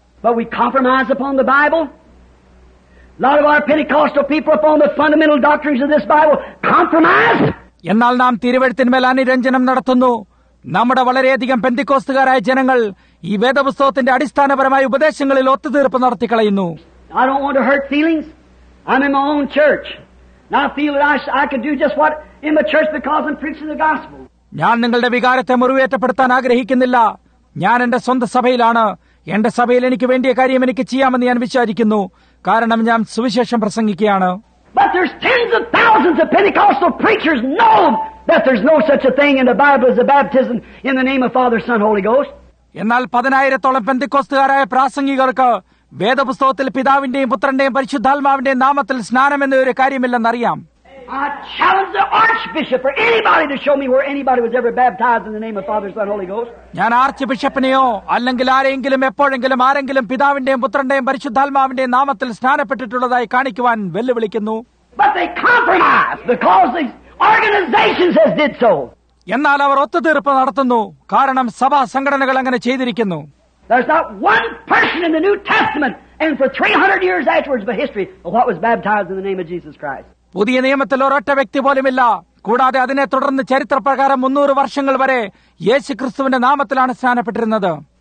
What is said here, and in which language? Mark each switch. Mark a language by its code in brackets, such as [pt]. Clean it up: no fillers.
[en] But we compromise upon the Bible. A lot of our Pentecostal people upon the fundamental doctrines of this Bible compromise. [ml] എന്നാൽ നാം തിരുവെഴുത്തിന്മേൽ അനുരഞ്ജനം നടത്തുന്നു. നമ്മുടെ വളരെയധികം പെന്തിക്കോസ്തുകാരായ ജനങ്ങൾ ഈ വേദപുസ്തകത്തിന്റെ അടിസ്ഥാനപരമായ ഉപദേശങ്ങളിൽ ഒത്തുതീർപ്പ് നടത്തി കളയുന്നു. [en] I don't want to hurt feelings. I'm in my own church. Now I feel that I could do just what in the church because I'm preaching the gospel. [ml] ഞാൻ നിങ്ങളുടെ വികാരത്തെ മുറിവേറ്റപ്പെടുത്താൻ ആഗ്രഹിക്കുന്നില്ല. ഞാൻ എന്റെ സ്വന്തം സഭയിലാണ്. എന്റെ സഭയിൽ എനിക്ക് വേണ്ടിയ കാര്യം എനിക്ക് ചെയ്യാമെന്ന് ഞാൻ വിചാരിക്കുന്നു. കാരണം ഞാൻ സുവിശേഷം പ്രസംഗിക്കുകയാണ്. [en] But there's tens of thousands of Pentecostal preachers know that there's no such a thing in the Bible as a baptism in the name of Father, Son, Holy Ghost. [ml] എന്നാൽ 10,000-ത്തോളം പെന്തക്കോസ്തുകാരായ പ്രാസംഗികർക്ക് വേദപുസ്തകത്തിൽ പിതാവിന്റെയും പുത്രന്റെയും പരിശുദ്ധാത്മാവിന്റെയും നാമത്തിൽ സ്നാനം എന്നൊരു കാര്യമില്ലെന്ന് അറിയാം. [en] I challenge the archbishop or anybody to show me where anybody was ever baptized in the name of Father, Son, Holy Ghost. [ml] ഞാൻ ആർച്ച്ബിഷപ്പിനെയോ അല്ലെങ്കിൽ ആരെങ്കിലും എപ്പോഴെങ്കിലും ആരെങ്കിലും പിതാവിന്റെയും പുത്രന്റെയും പരിശുദ്ധാത്മാവിന്റെയും നാമത്തിൽ സ്നാനപ്പെട്ടിട്ടുള്ളതായി കാണിക്കുവാൻ വെല്ലുവിളിക്കുന്നു. [en] But they compromise because the organization has did so. [ml] എന്നാൽ അവർ ഒത്തുതീർപ്പ് നടത്തുന്നു. കാരണം സഭാ സംഘടനകൾ അങ്ങനെ ചെയ്തിരിക്കുന്നു. [en] There's not one person in the New Testament and for 300 years afterwards the history of what was baptized in the name of Jesus Christ. [ml] പുതിയ നിയമത്തിൽ ഒരൊറ്റ വ്യക്തി പോലുമില്ല. കൂടാതെ അതിനെ തുടർന്ന് ചരിത്ര പ്രകാരം 300 വർഷങ്ങൾ വരെ യേശു ക്രിസ്തുവിന്റെ നാമത്തിലാണ് സ്നാനപ്പെട്ടിരുന്നത്.